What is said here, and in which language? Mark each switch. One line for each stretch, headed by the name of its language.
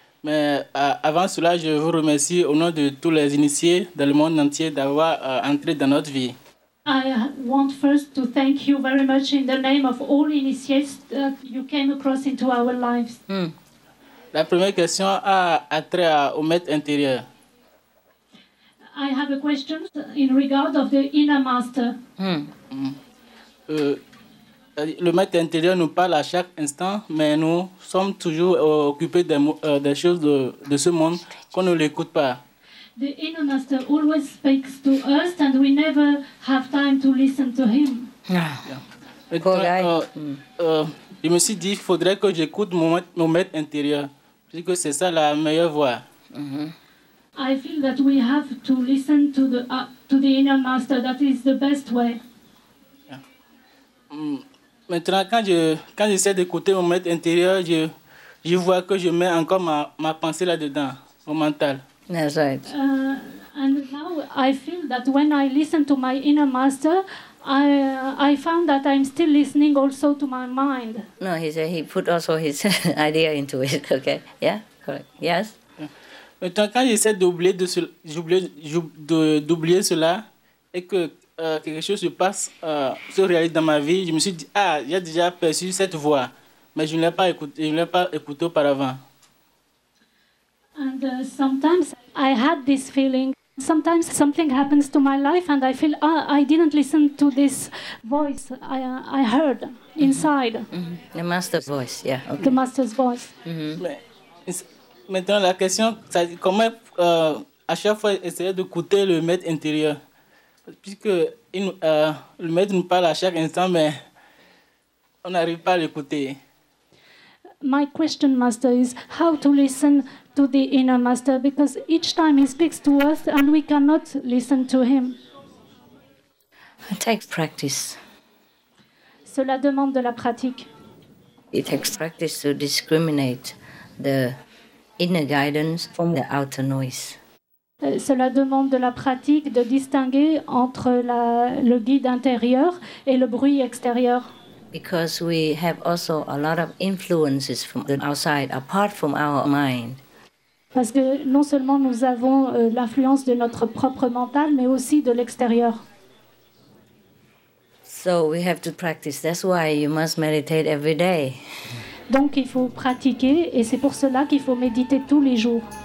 French: Mais avant cela, je vous remercie au nom de tous les initiés dans le monde entier d'avoir entré dans notre vie. Ah,
English: I want first to thank you very much in the name of all initiates that you came across into our lives. Mm.
French: La première question a trait au maître intérieur.
English: I have a question in regard of the inner master. Mm.
French: Le maître intérieur nous parle à chaque instant, mais nous sommes toujours occupés des choses de ce monde qu'on ne l'écoute pas.
English: The inner master always speaks to us, and we never have time to listen to him. Yeah. Poor guy.
French: Je me suis dit qu'il faudrait que j'écoute mon maître intérieur, puisque c'est ça la meilleure voix. Mm-hmm.
English: I feel that we have to listen to the inner master. That is the best way.
French: Maintenant, quand j'essaie d'écouter mon maître intérieur, je vois que je mets encore ma pensée là-dedans, mon mental.
English: That's right. And now I feel that when I listen to my inner master, I found that I'm still listening also to my mind. No, he put also his idea into it. Okay. Yeah. Correct. Yes.
French: Maintenant, quand j'essaie d'oublier cela et que quelque chose se passe, se réalise dans ma vie, je me suis dit, ah, j'ai déjà perçu cette voix, mais je ne l'ai pas écouté auparavant.
English: And sometimes I had this feeling. Sometimes something happens to my life and I feel, I didn't listen to this voice I heard inside. Mm-hmm. The master's voice, yeah. Okay. The master's voice. Mm-hmm.
French: Mais, maintenant, la question, c'est comment à chaque fois essayer d'écouter le maître intérieur? Puisque le maître nous parle à chaque instant, mais on n'arrive pas à l'écouter.
English: My question, master, is how to listen to the inner master, because each time he speaks to us and we cannot listen to him. It takes practice.
French: Cela demande de la pratique.
English: It takes practice to discriminate the inner guidance from the outer noise.
French: Cela demande de la pratique de distinguer entre le guide intérieur et le bruit extérieur.
English: Because we have also a lot of influences from the outside, apart from our mind.
French: Parce que non seulement nous avons l'influence de notre propre mental, mais aussi de l'extérieur.
English: So we have to practice. That's why you must meditate every day.
French: Donc il faut pratiquer, et c'est pour cela qu'il faut méditer tous les jours.